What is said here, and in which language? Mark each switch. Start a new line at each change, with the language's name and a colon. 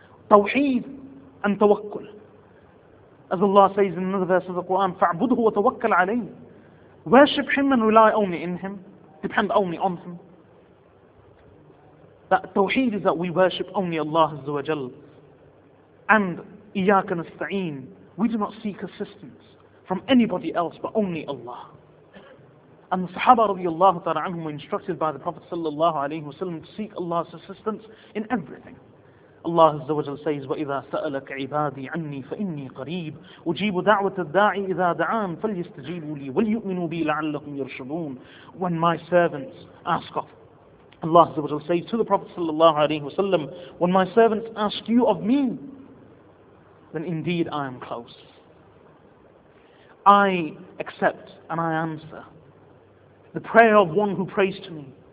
English: Tawheed and tawakkul. As Allah says in another verse of the Quran,
Arabic: فَاعْبُدْهُ وَتَوَكَّلْ عَلَيْهِ.
English: Worship him and rely only in him. Depend only on him. That tawheed is that we worship only Allah Azza wa Jal.
Arabic: And إِيَّاكَ نَسْتَعِينَ.
English: We do not seek assistance from anybody else but only Allah. And the Sahaba radiallahu ta'ala anhum were instructed by the Prophet sallallahu alayhi wa sallam to seek Allah's assistance in everything. Allah Azza wa Jal says,
Arabic: وَإِذَا سَأَلَكَ عِبَادِي عَنِّي فَإِنِّي قَرِيبٌ أُجِيبُ دَعْوَةَ الدَّاعِ إِذَا دَعَانَ فَلْيَسْتَجِيبُوا لِي وَلْيُؤْمِنُوا بِي لَعَلَّهُمْ يَرْشُدُونَ.
English: When my servants ask of Allah Azza wa Jal says to the Prophet sallallahu alayhi wa sallam, when my servants ask you of me, then indeed I am close. I accept and I answer the prayer of one who prays to me.